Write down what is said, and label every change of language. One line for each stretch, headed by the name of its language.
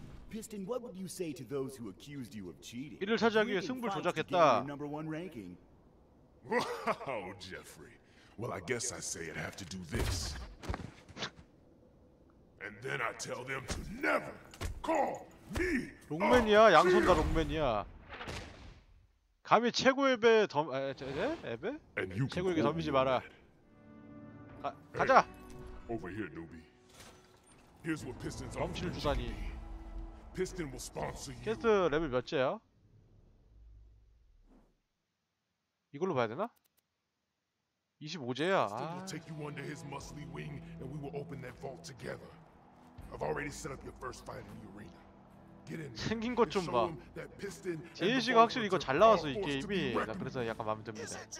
Korean: 이를 차지하기 위해 승부를 조작했다.
English: Wow, Jeffrey. Well, I guess I say I'd have to do this. And then I tell them to never call me.
Korean: 롱맨이야, 양손다 롱맨이야. 감히 최고의 덤에 최고에게 덤비지 마라. 가자.
English: Over here, newbie. Here's what Pistons are doing.
Korean: 주다니.
English: Piston will sponsor you.
Korean: 캐스트 레벨 몇째야? 이걸로 봐야 되나? 25제야.
English: We'll take you under his muscly wing and we will open that vault together. I've already set up your first fight in the arena. Get in.
Korean: 생긴 것 좀 봐. 제이씨가 확실히 이거 잘 나와서 이 게임이 나 그래서 약간 마음에 듭니다.